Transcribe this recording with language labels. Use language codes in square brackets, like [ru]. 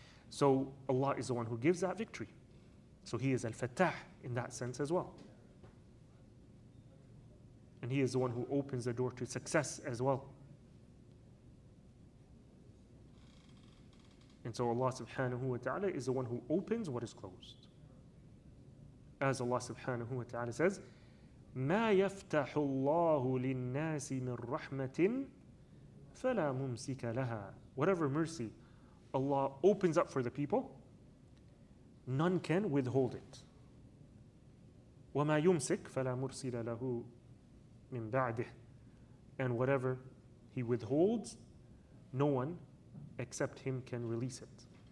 [en] So Allah is the one who gives that victory. So He is al-fattah in that sense as well. And He is the one who opens the door to success as well. And so Allah subhanahu wa ta'ala is the one who opens what is closed. As Allah subhanahu wa ta'ala says, [ar] مَا يَفْتَحُ اللَّهُ لِلنَّاسِ مِنْ رَحْمَةٍ فَلَا مُمْسِكَ لَهَا. [en] Whatever mercy Allah opens up for the people, none can withhold it. [ar] وَمَا يُمْسِكَ فَلَا مُرْسِلَ لَهُ مِنْ بَعْدِهِ. [en] And whatever He withholds, no one except Him can release it.